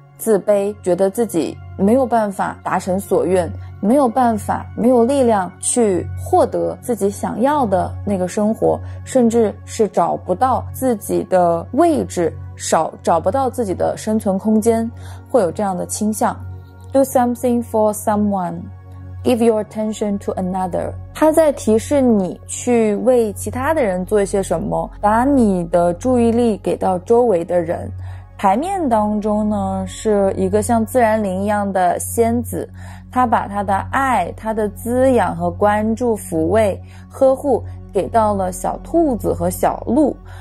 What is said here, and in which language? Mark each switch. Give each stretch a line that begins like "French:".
Chinese: 自卑，觉得自己没有办法达成所愿，没有办法、没有力量去获得自己想要的那个生活，甚至是找不到自己的位置，找不到自己的生存空间，会有这样的倾向。
English: Do something for someone, give your attention to another.
Chinese: 他在提示你去为其他的人做一些什么，把你的注意力给到周围的人。牌面当中呢，是一个像自然灵一样的仙子，他把他的爱、他的滋养和关注、抚慰、呵护给到了小兔子和小鹿。